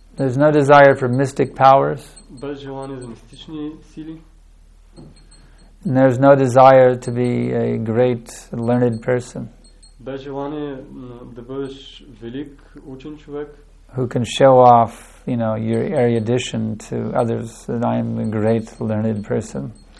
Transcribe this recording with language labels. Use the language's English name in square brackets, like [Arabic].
[English] There's no desire for mystic powers. [Bulgarian] Без желание за мистични сили. [English] And there's no desire to be a great learned person. [Bulgarian] Без желание да бъдеш велик учен човек. [English] Who can show off, you know, your erudition to others that I am a great learned person.